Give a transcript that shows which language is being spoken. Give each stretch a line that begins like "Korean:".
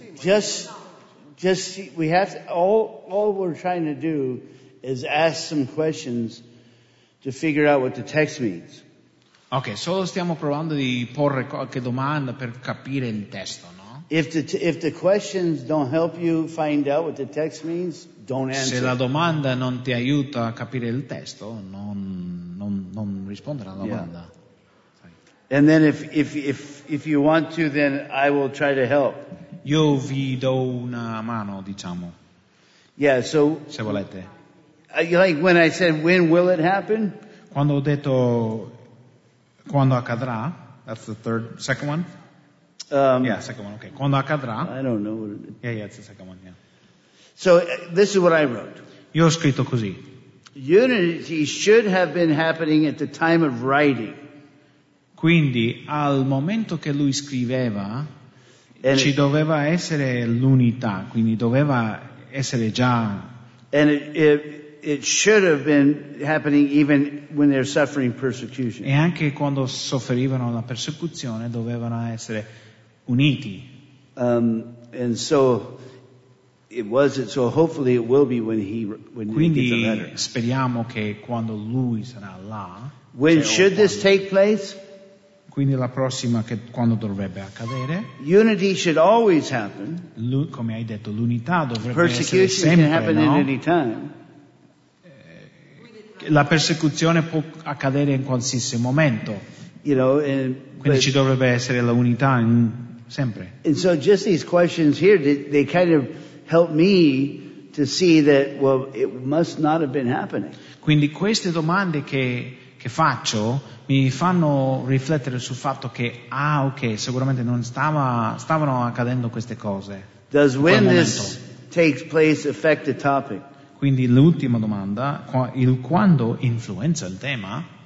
English: Just we have to, all we're trying to do is ask some questions to figure out what the text means.
Italian: Okay, solo stiamo provando di porre qualche domanda per capire il testo, no?
English: If the questions don't help you find out what the text means, don't answer.
Italian: Se la domanda non ti aiuta a capire il testo, non rispondere alla domanda.
English: Yeah. And then if you want to, then I will try to help.
Italian: Io vi do una mano, diciamo.
English: Yeah, so
Italian: se volete.
English: Like when I said, when will it happen?
Italian: Quando ho detto quando accadrà,
English: that's the second one. Second one, okay.
Italian: Quando accadrà?
English: I don't know what it is. Yeah, it's the second one, yeah. So this is what I wrote.
Italian: Io ho scritto così.
English: Unity should have been happening at the time of writing.
Italian: Quindi, al momento che lui scriveva, And ci doveva essere l'unità, quindi doveva essere già.
English: And it should have been happening even when they're suffering persecution.
Italian: E anche quando soffrivano la persecuzione dovevano essere uniti.
English: And so it was. It, so hopefully it will be when
Italian: quindi,
English: he gets the letter.
Italian: Quindi speriamo che quando lui sarà là.
English: When should this take place?
Italian: Quindi la prossima, che quando dovrebbe accadere?
English: Unity should always happen.
Italian: Come hai detto, l'unità dovrebbe
English: persecution
Italian: essere sempre,
English: can happen
Italian: no?
English: At any time.
Italian: La persecuzione può accadere in qualsiasi momento.
English: You know,
Italian: quindi ci dovrebbe essere la unità sempre.
English: And so just these questions here, they kind of help me to see that, well, it must not have been happening.
Italian: Quindi queste domande che faccio mi fanno riflettere sul fatto che ok, sicuramente non stavano accadendo queste cose.
English: Does when this takes place affect the topic?
Italian: Quindi l'ultima domanda, il quando influenza il tema?